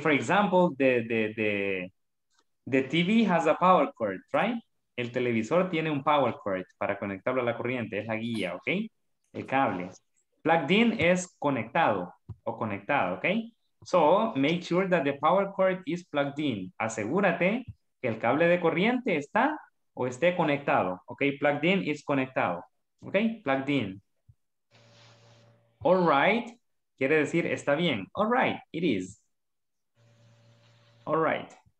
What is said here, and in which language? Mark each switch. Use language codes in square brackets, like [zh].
[en] For example, the TV has a power cord, right? [es] El televisor tiene un power cord para conectarlo a la corriente, es la guía, ¿ok? El cable. Plugged in es conectado o conectada, ¿ok? [en] So, make sure that the power cord is plugged in. [es] Asegúrate que el cable de corriente está o esté conectado, ¿ok? [en] Plugged in is conectado, ¿ok? Plugged in. All right, [es] quiere decir está bien. [en] All right, it is. All right.